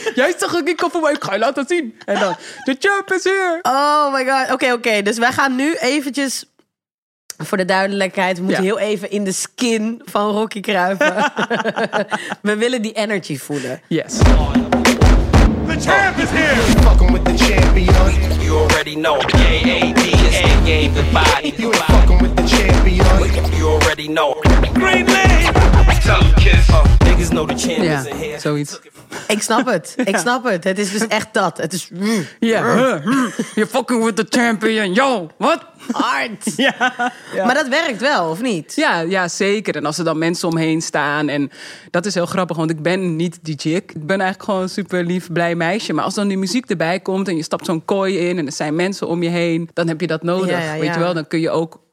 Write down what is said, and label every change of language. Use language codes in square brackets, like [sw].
[nl] Jij zag ook een koffer, maar ik ga je laten zien. En dan, [en] the champ is here. Oh my god. Oké. [nl] Dus wij gaan nu eventjes, voor de duidelijkheid, we moeten heel even in de skin van Rocky kruipen. We willen die energy voelen. [en] Yes. The the champ is here. You fucking with the champion. You already know. K-A-D is the game, the body. You ain't fucking with the champion. You already know. Green lane. Tell kiss. [nl] Ja, zoiets. Ik snap het. Ik snap het. Het is dus echt dat. Het is... [en] Yeah. You're fucking with the champion. Yo, what? [nl] Hard. Ja. Maar dat werkt wel, of niet? Ja, ja, zeker. En als er dan mensen omheen staan. En dat is heel grappig, want ik ben niet die chick. Ik ben eigenlijk gewoon een super lief, blij meisje. Maar als dan die muziek erbij komt en je stapt zo'n kooi in en er zijn mensen om je heen, dan heb je dat nodig. Ja, ja, ja. Weet je wel, dan kun je ook...